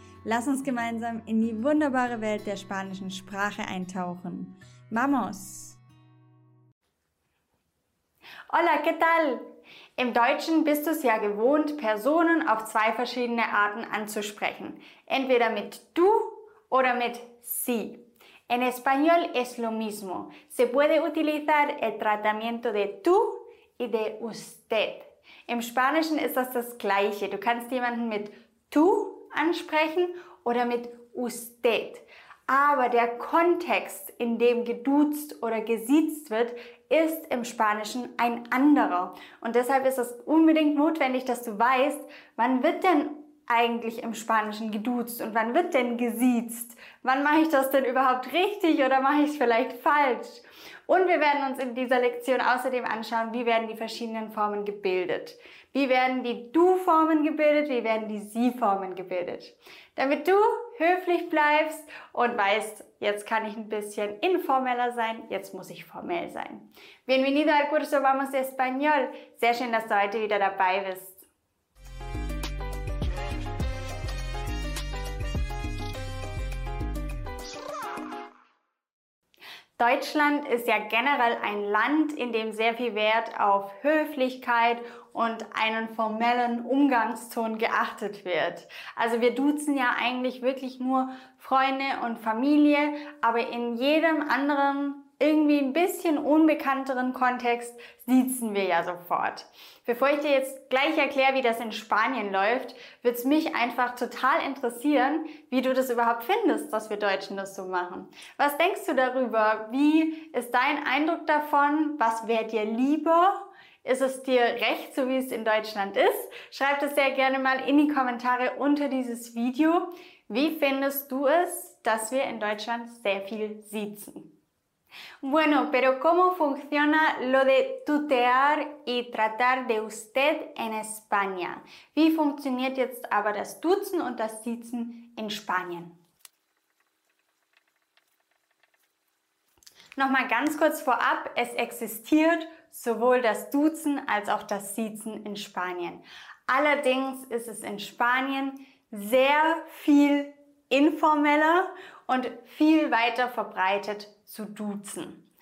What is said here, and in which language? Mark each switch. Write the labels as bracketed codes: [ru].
[de] Lass uns gemeinsam in die wunderbare Welt der spanischen Sprache eintauchen. [es] ¡Vamos! Hola, ¿qué tal? [de] Im Deutschen bist du es ja gewohnt, Personen auf zwei verschiedene Arten anzusprechen. Entweder mit du oder mit sie. [es] En español es lo mismo. Se puede utilizar el tratamiento de tú y de usted. [de] Im Spanischen ist das Gleiche. Du kannst jemanden mit tú ansprechen oder mit usted. Aber der Kontext, in dem geduzt oder gesiezt wird, ist im Spanischen ein anderer. Und deshalb ist es unbedingt notwendig, dass du weißt, wann wird denn eigentlich im Spanischen geduzt und wann wird denn gesiezt? Wann mache ich das denn überhaupt richtig oder mache ich es vielleicht falsch? Und wir werden uns in dieser Lektion außerdem anschauen, wie werden die verschiedenen Formen gebildet? Wie werden die Du-Formen gebildet? Wie werden die Sie-Formen gebildet? Damit du höflich bleibst und weißt, jetzt kann ich ein bisschen informeller sein, jetzt muss ich formell sein. [es] Bienvenido al curso Vamos Español. [de] Sehr schön, dass du heute wieder dabei bist. Deutschland ist ja generell ein Land, in dem sehr viel Wert auf Höflichkeit und einen formellen Umgangston geachtet wird. Also wir duzen ja eigentlich wirklich nur Freunde und Familie, aber in jedem anderen, irgendwie ein bisschen unbekannteren Kontext siezen wir ja sofort. Bevor ich dir jetzt gleich erkläre, wie das in Spanien läuft, würde es mich einfach total interessieren, wie du das überhaupt findest, dass wir Deutschen das so machen. Was denkst du darüber? Wie ist dein Eindruck davon? Was wäre dir lieber? Ist es dir recht, so wie es in Deutschland ist? Schreib das sehr gerne mal in die Kommentare unter dieses Video. Wie findest du es, dass wir in Deutschland sehr viel siezen? [es] Bueno, pero ¿cómo funciona lo de tutear y tratar de usted en España? [de] Wie funktioniert jetzt aber das Duzen und das Siezen in Spanien? Nochmal ganz kurz vorab, es existiert sowohl das Duzen als auch das Siezen in Spanien. Allerdings ist es in Spanien sehr viel informeller und viel weiter verbreitet zu duzen.